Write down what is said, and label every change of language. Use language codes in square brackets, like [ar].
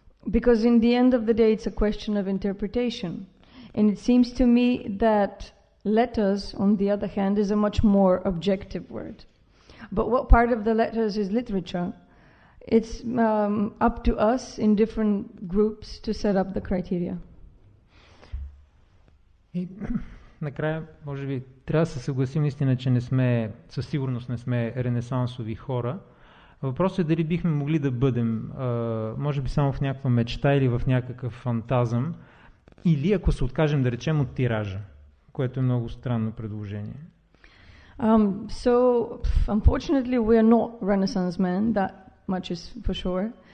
[en] Because in the end of the day, it's a question of interpretation. And it seems to me that letters, on the other hand, is a much more objective word. But what part of the letters is literature? It's up to us in different groups to set up the criteria. [bg] И накрая, може би, трябва да се съгласим наистина, че не сме, със сигурност не сме ренесансови хора. Въпросът е дали бихме могли да бъдем, може би само в някаква мечта или в някакъв фантазъм, или ако се откажем да речем от тиража, което е много странно предложение. [en] So, unfortunately, we are not Renaissance men, that much is for sure.